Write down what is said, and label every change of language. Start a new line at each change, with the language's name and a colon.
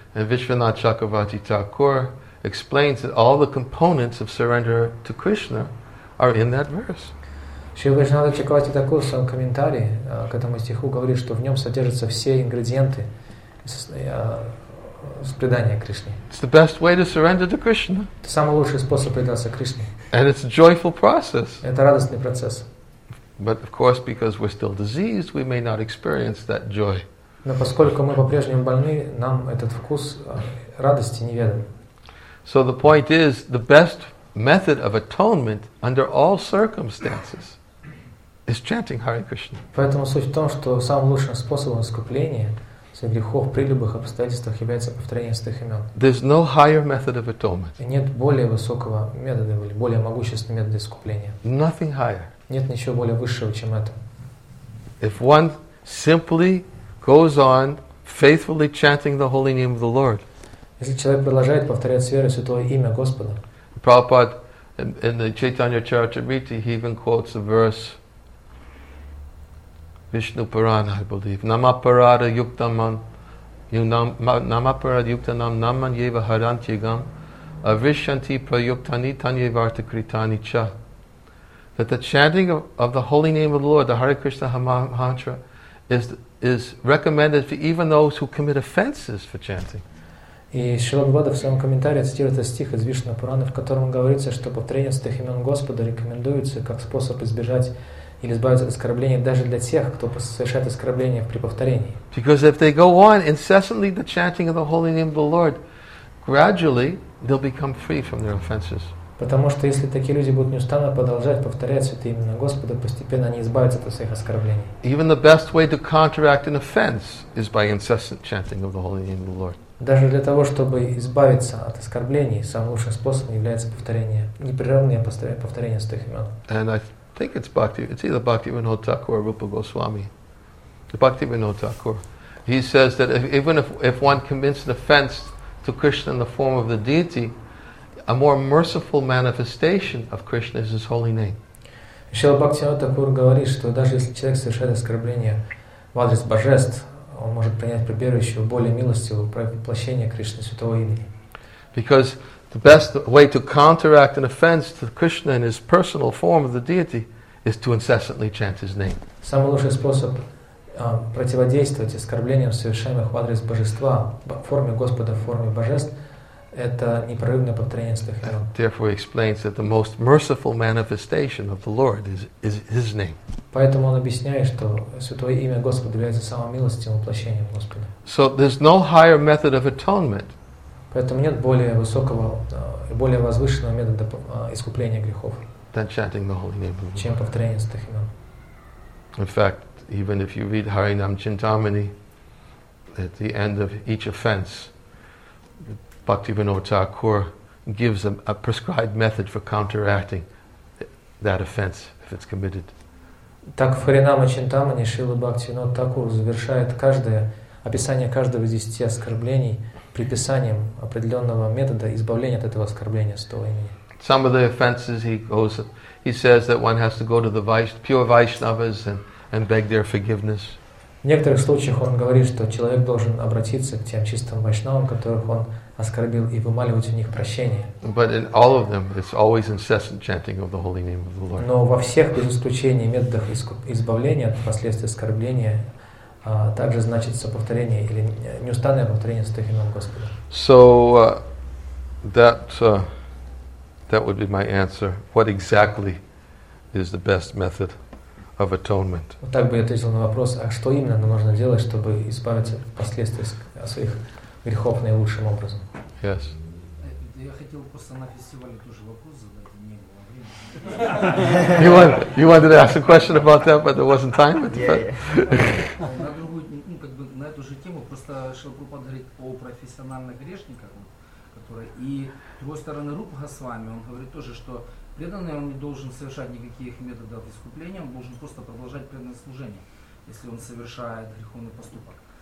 English: And Vishwanath Chakravarti Thakur explains that all the components of surrender to Krishna are in that verse.
Russian: Шри Вишнанда Чакравати Такур в своем комментарии к этому стиху говорит, что в нем содержатся все ингредиенты с предания Кришне.
English: It's the best way to surrender to Krishna.
Russian: Это самый лучший способ предаться Кришне.
English: And it's a joyful process.
Russian: Это радостный процесс.
English: But of course, because we're still diseased, we may not experience that joy.
Russian: Но поскольку мы по-прежнему больны, нам этот вкус радости неведом.
English: So the point is, the best method of atonement under all circumstances is chanting Hare Krishna.
Russian: Поэтому суть в том, что самым лучшим способом искупления своих грехов при любых обстоятельствах является повторение святых имен.
English: There's no higher method of atonement.
Russian: И нет более высокого метода или более могущественного метода искупления.
English: Nothing higher.
Russian: Нет ничего более высшего, чем это.
English: If one simply goes on faithfully chanting the holy name of the Lord.
Russian: Если человек продолжает повторять с верой святое имя Господа.
English: Prabhupada in the Chaitanya Charitamrita, he even quotes a verse Vishnu Purana, I believe.
Sanskrit: Namaparada yuktaman namaparada yuktanam naman yeva harantyagam avishanti prayuktani tanye vartakritani cha.
English: That the chanting of the holy name of the Lord, the Hare Krishna mantra, is recommended for even those who commit offenses for chanting.
Russian: И Шрила Бхагавата в своем комментарии цитирует стих из Вишна Пураны, в котором говорится, что повторение святых имен Господа рекомендуется как способ избежать или избавиться от оскорблений даже для тех, кто совершает оскорбление при повторении.
English: Because if they go on incessantly the chanting of the holy name of the Lord, gradually they'll become free from their offenses.
Russian: Потому что если такие люди будут неустанно продолжать повторять святые имена Господа, постепенно они избавятся от своих оскорблений.
English: Even the best way to counteract an offense is by incessant chanting of the holy name of the Lord.
Russian: Даже для того, чтобы избавиться от оскорблений, самым лучшим способом является повторение, непрерывное повторение святых имен.
English: And I think it's Bhakti, it's either Bhaktivinoda Thakur or Rupa Goswami. Bhaktivinoda Thakur. He says that if one commits an offense to Krishna in the form of the deity, a more merciful manifestation of Krishna is his holy name.
Russian: Шрила Бхактивинода Тхакур говорит, что даже если человек совершает оскорбление в адрес божеств, он может принять прибежище более милостивого воплощения Кришны святого имени.
English: Because the best way to counteract an offense to Krishna in his personal form of the deity is to incessantly chant his name.
Russian: Самый лучший способ противодействовать оскорблениям, совершаемых в адрес божества, в форме Господа, в форме божеств, это непрерывное повторение святых имен.
English: Therefore, he explains that the most merciful manifestation of the Lord is his name.
Russian: Поэтому он объясняет, что святое имя Господа является самым милостивым воплощением Господа.
English: So there's no higher method of atonement.
Russian: Поэтому нет более высокого и более возвышенного метода искупления грехов.
English: Than chanting the holy name of the Lord.
Russian: Чем повторение святых имен.
English: In fact, even if you read Harinam Chintamani, at the end of each offense, Bhaktivinoda Thakur gives a prescribed method for counteracting that offense if it's committed.
Russian: Так в Харинама Чинтамани Шрила Бхактивинода Тхакур завершает каждое описание каждого из 10 оскорблений приписанием определенного метода избавления от этого оскорбления с того имени.
English: Some of the offenses he says that one has to go to the pure Vaishnavas and beg their forgiveness.
Russian: В некоторых случаях он говорит, что человек должен обратиться к тем чистым вайшнавам, которых он оскорбил, и вымаливать у них прощение.
English: But in all of them, it's always incessant chanting of the holy name of the Lord.
Russian: Но во всех без исключения методах избавления от последствий оскорбления также значится повторение или неустанное повторение святых имен Господа.
English: So that would be my answer. What exactly is the best method of atonement?
Russian: Вот так бы я ответил на вопрос, а что именно нам нужно делать, чтобы избавиться от последствий своих грехов наилучшим образом.
English: Yes.
Russian: Я хотел просто на фестивале тоже вопрос задать, не было времени.
English: You wanted to ask a question about that, but there wasn't time. Yeah, yeah.
Russian: На другую, на эту же тему, просто Шрила Прабхупада говорит о профессиональных грешниках, которые, и с другой стороны, Рупа Госвами, он говорит тоже, что преданный, он не должен совершать никаких методов искупления, он должен просто продолжать преданное служение, если он совершает греховный поступок.